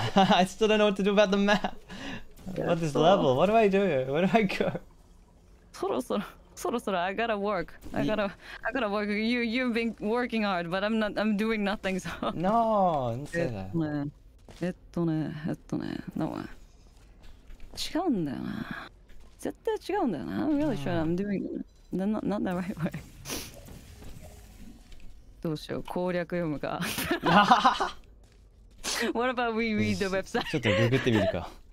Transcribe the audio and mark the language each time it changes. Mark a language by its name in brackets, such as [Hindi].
[English] I still don't know what to do about the map. About this level. What do I do here? Where do I go? [Japanese] そろそろ [English] I gotta work. I gotta work. You've been working hard, but I'm doing nothing, so. No, don't say that. [Japanese] No. 違うんだよな。絶対違うんだよな。 [English] I'm really sure I'm doing not the right way. [Japanese] どうしよう、攻略読むか。 [English] What about we read the website? [Japanese] ちょっとググってみるか。